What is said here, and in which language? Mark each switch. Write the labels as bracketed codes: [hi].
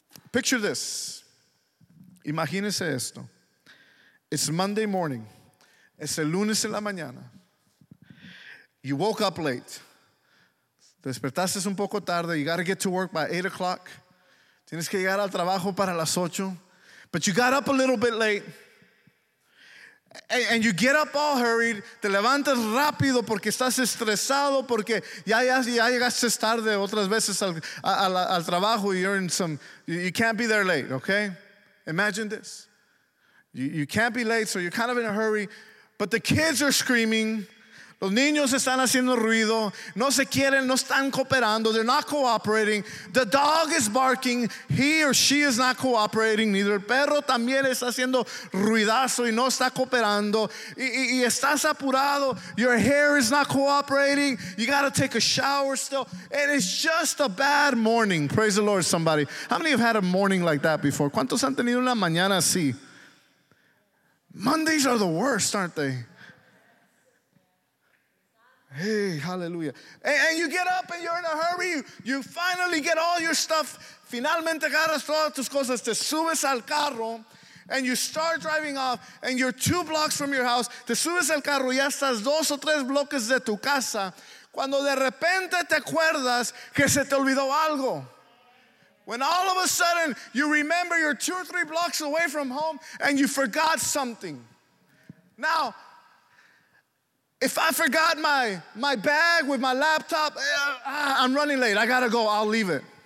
[en] Picture this. [es] Imagínese esto. [en] It's Monday morning. [es] Es el lunes en la mañana. [en] You woke up late. [es] Despertaste un poco tarde. [en] You got to get to work by 8 o'clock. [es] Tienes que llegar al trabajo para las 8. [en] But you got up a little bit late. And you get up all hurried. [es] Te levantas rápido porque estás estresado porque ya llegaste tarde otras veces al trabajo. [en] You can't be there late, okay? Imagine this. You can't be late, so you're kind of in a hurry. But the kids are screaming. [es] Los niños están haciendo ruido. No se quieren, no están cooperando. [en] They're not cooperating. The dog is barking. He or she is not cooperating. Neither. [es] El perro también está haciendo ruidazo y no está cooperando. Y estás apurado. [en] Your hair is not cooperating. You got to take a shower still. And it's just a bad morning. Praise the Lord, somebody. How many have had a morning like that before? [es] ¿Cuántos han tenido una mañana así? [en] Mondays are the worst, aren't they? Hey, hallelujah. And you get up and you're in a hurry. You finally get all your stuff. [es] Finalmente agarras todas tus cosas. Te subes al carro [en] and you start driving off. And you're two blocks from your house. [es] Te subes al carro y ya estás dos o tres bloques de tu casa. Cuando de repente te acuerdas que se te olvidó algo. [en] When all of a sudden you remember you're two or three blocks away from home and you forgot something. Now, if I forgot my bag with my laptop, I'm running late. I gotta go. I'll leave it.